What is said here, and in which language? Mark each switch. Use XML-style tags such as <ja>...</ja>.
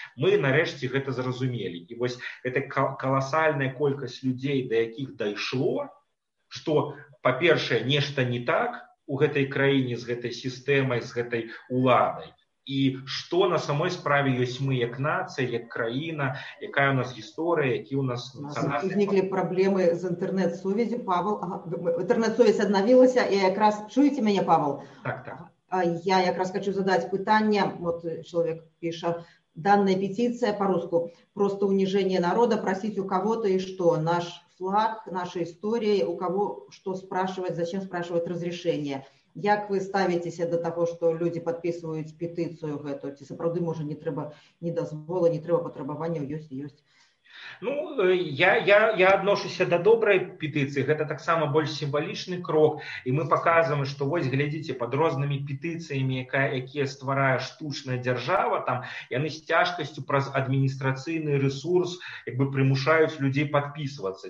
<be>Мы нарэшце гэта зразумелі. І вось гэта каласальная колькасць людзей, да якіх дайшло, што па-першае, нешта не так у гэтай краіне з гэтай сістэмай, з гэтай уладай. І што на самой справе ёсць мы як нацыя, як краіна, якая ў нас гісторыя, які ў нас нацыянальны. Узніклі праблемы з інтэрнэт-сувязю. Павел, інтэрнэт-сувязь аднавілася, і якраз чуеце мяне, Павел? Так. Я якраз хачу задаць пытанне, вот чалавек піша:</be> <ru>"Данная петиция по-руску просто унижение народа, просить у кого-то и что, наш флаг, наша история, у кого что спрашивать, зачем спрашивать разрешение?"</ru> <be>Як вы ставіцеся да таго, што людзі падпісваюць петыцыю гэту? Ці сапраўды, можа, не трэба ні дазвола, ні трэба патрабаванняў, ёсць? Ну, я адношуся да добрай петыцыі. Гэта таксама больш сімвалічны крок. І мы паказваем, што вось, глядзіце, пад рознымі петыцыямі, якія стварае штучная дзяржава, там яны з цяжкасцю праз адміністрацыйны рэсурс як бы прымушаюць людзей падпісвацца.</be>